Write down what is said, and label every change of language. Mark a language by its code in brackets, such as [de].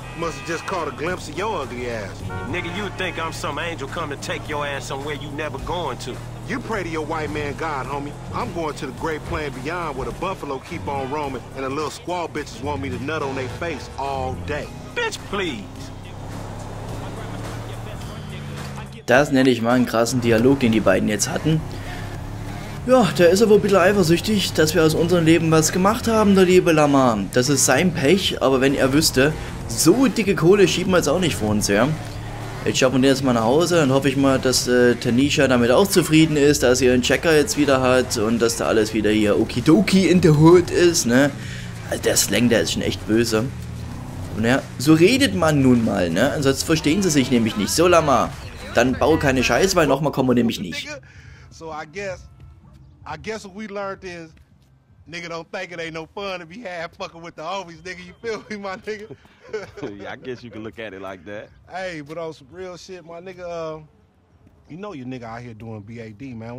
[en] Must have just caught a glimpse of your ugly ass. Nigga, you'd think I'm some angel come to take your ass somewhere you never going to. You pray to your white man God, homie. I'm going to the great plain beyond where the buffalo keep on roaming and the little squaw bitches want me to nut on their face all day. Bitch, please. [de] Das nenne ich mal einen krassen Dialog, den die beiden jetzt hatten. Ja, der ist aber ein bisschen eifersüchtig, dass wir aus unserem Leben was gemacht haben, der liebe Lamar. Das ist sein Pech, aber wenn er wüsste, so dicke Kohle schieben wir jetzt auch nicht vor uns her. Jetzt schaffen wir jetzt mal nach Hause, dann hoffe ich mal, dass Tanisha damit auch zufrieden ist, dass sie ihren Checker jetzt wieder hat und dass da alles wieder hier okidoki [en] in the hood [de] ist, ne? Also der Slang, der ist schon echt böse. Und ja, so redet man nun mal, ne? Ansonsten verstehen sie sich nämlich nicht. So, Lamar, dann baue keine Scheiße, weil nochmal kommen wir nämlich nicht. [en] So, I guess what we learned is, nigga don't think it ain't no fun if you have fucking with the homies, nigga. You feel me, my nigga? Yeah, I guess you can look at it like that. Hey, but on some real shit, my nigga, you know your nigga out here doing BAD, man.